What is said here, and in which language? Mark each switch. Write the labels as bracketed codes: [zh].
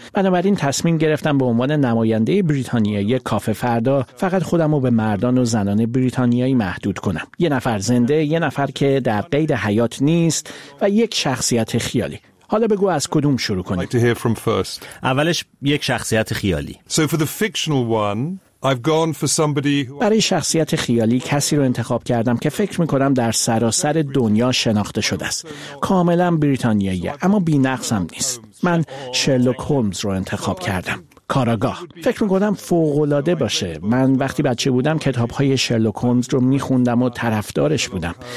[fa] بنابراین تصمیم گرفتم به عنوان نماینده بریتانیای کافه فردا فقط خودم رو به مردان و زنان بریتانیایی محدود کنم. یه نفر زنده، یه نفر که در قید حیات نیست، و یک شخصیت خیالی. حالا بگو از کدوم شروع کنیم؟ اولش یک شخصیت خیالی. [en] So for the fictional one, I've gone for somebody who... [fa] برای شخصیت خیالی کسی رو انتخاب کردم که فکر میکنم در سراسر دنیا شناخته شده است. کاملا بریتانیاییه اما بی‌نقصم نیست. من شرلوک هولمز رو انتخاب کردم. کاراگاه. فکر میکنم فوق‌العاده باشه. من وقتی بچه بودم کتاب‌های شرلوک هولمز رو میخوندم و طرفدارش بودم.